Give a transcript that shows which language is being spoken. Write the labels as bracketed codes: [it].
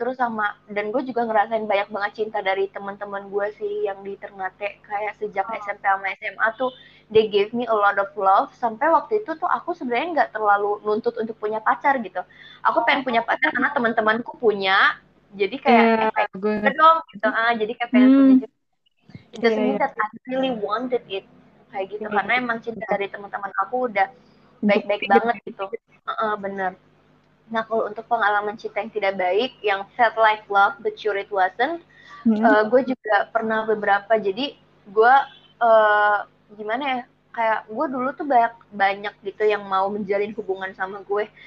[id] Terus sama, dan gue juga ngerasain banyak banget cinta dari teman-teman gue sih yang di Ternate, kayak sejak SMP sama SMA tuh [en] they gave me a lot of love. [id] Sampai waktu itu tuh aku sebenarnya nggak terlalu nuntut untuk punya pacar gitu. Aku pengen punya pacar karena teman-temanku punya, jadi kayak dong gitu. Jadi kayak pengen punya. [en] It doesn't mean that I really wanted it, [id] kayak gitu. Karena emang cinta dari teman-teman aku udah baik-baik banget gitu. Bener. Nah, kalau untuk pengalaman cinta yang tidak baik, yang [en] felt like love, but sure it wasn't, [id] gue juga pernah beberapa. Jadi, gue gimana ya, kayak gue dulu tuh banyak gitu yang mau menjalin hubungan sama gue.